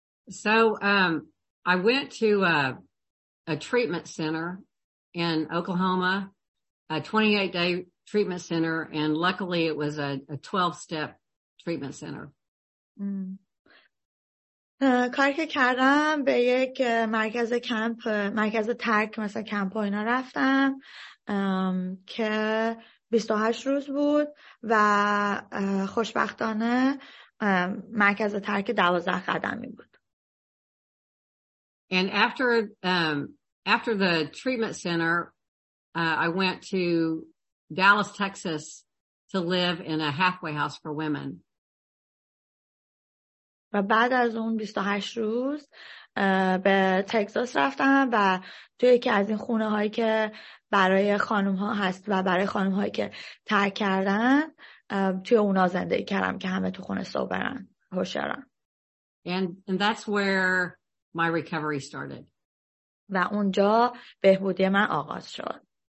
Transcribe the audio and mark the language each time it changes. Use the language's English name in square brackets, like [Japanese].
[English] So I went to a treatment center in Oklahoma. A 28-day treatment center, and luckily it was a 12-step treatment center. [Persian] کاری که کردم به یک مرکز کمپ، مرکز ترک مثل کمپ و اینا رفتم که 28 روز بود و خوشبختانه مرکز ترک 12 قدمی بود. [English] And after the treatment center, I went to Dallas, Texas to live in a halfway house for women. [Persian] و بعد از اون 28 روز به تگزاس رفتم و توی یکی از این خونه هایی که برای خانم ها هست و برای خانم هایی که ترک کردن توی اونا زندگی کردم که همه تو خونه صبرن هوشیارن. [English] And that's where my recovery started. [Persian] و اونجا بهبودی من آغاز شد.